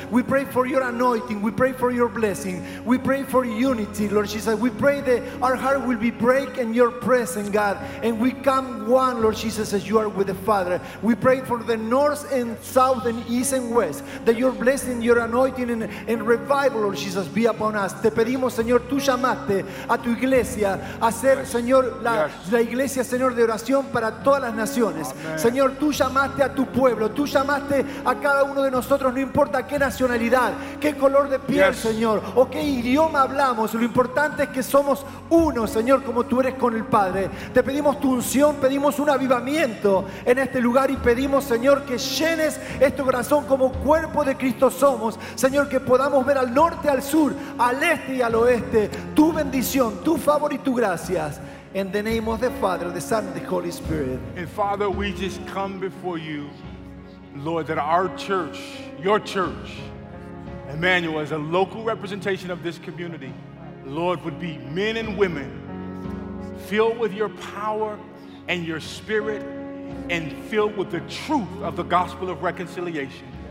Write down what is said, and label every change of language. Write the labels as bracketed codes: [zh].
[en] We pray for your anointing. We pray for your blessing. We pray for unity, Lord Jesus. We pray that our heart will be break in your presence, God, and we come one, Lord Jesus, as you are with the Father. We pray for the north and south and east and west, that your blessing, your anointing and revival, Lord Jesus, be upon us. [es] Te pedimos, Señor, tú llamaste a tu iglesia a ser, Señor, la iglesia, Señor, de oración para todas las naciones. Amen. Señor, tú llamaste a tu pueblo, tú llamaste a cada uno de nosotros, no importa qué nacionalidad, qué color de piel, Señor, o qué idioma hablamos, lo importante es que somos uno, Señor, como tú eres con el Padre. Te pedimos tu unción, pedimos un avivamiento en este lugar y pedimos, Señor, que llenes este corazón como cuerpo de Cristo somos, Señor, que podamos ver al norte, al sur, al este y al oeste tu bendición, tu favor y tu gracia. [en] In the name of the Father, the Son, the Holy Spirit. And Father, we just come before you, Lord, that our church, your church, Emmanuel, as a local representation of this community, Lord, would be men and women filled with your power and your spirit and filled with the truth of the gospel of reconciliation.